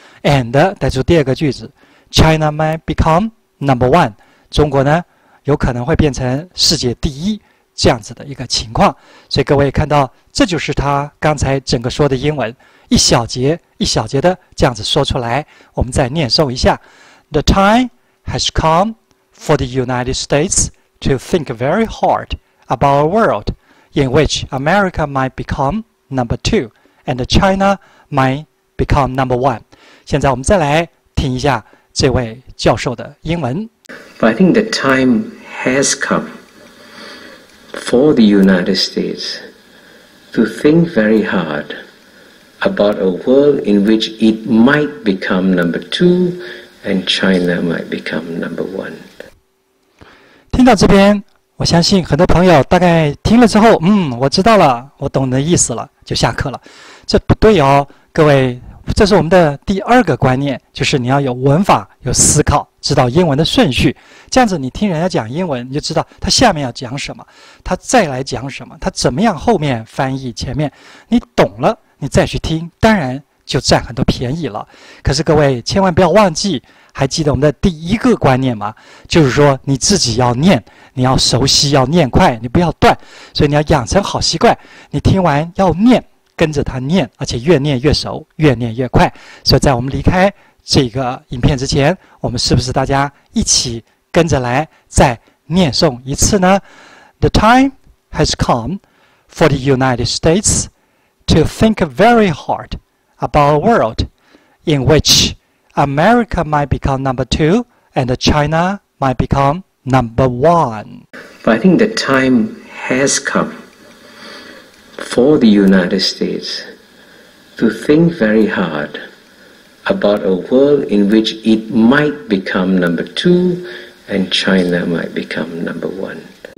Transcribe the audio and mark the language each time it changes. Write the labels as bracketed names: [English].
[Chinese] And 带出第二个句子， [English] China might become number one， [Chinese] 中国呢有可能会变成世界第一，这样子的一个情况。所以各位看到，这就是他刚才整个说的英文，一小节一小节的这样子说出来。我们再念诵一下： [English] The time has come for the United States to think very hard about a world in which America might become number two and China might become number one。 [Chinese] 现在我们再来听一下这位教授的英文。 [English] But I think the time has come for the United States to think very hardabout a world in which it might become number two and China might become number one。 [Chinese] 听到这边，我相信很多朋友大概听了之后，我知道了，我懂的意思了，就下课了。这不对哦，各位，这是我们的第二个观念，就是你要有文法，有思考，知道英文的顺序，这样子你听人家讲英文，你就知道他下面要讲什么，他再来讲什么，他怎么样后面翻译前面，你懂了你再去听，当然就占很多便宜了。可是各位千万不要忘记，还记得我们的第一个观念吗？就是说你自己要念，你要熟悉，要念快，你不要断。所以你要养成好习惯，你听完要念，跟着他念，而且越念越熟，越念越快。所以在我们离开这个影片之前，我们是不是大家一起跟着来再念诵一次呢？ [English] The time has come for the United States to think very hard about a world in which America might become number two and China might become number one. But I think the time has come for the United States to think very hard about a world in which it might become number two and China might become number one.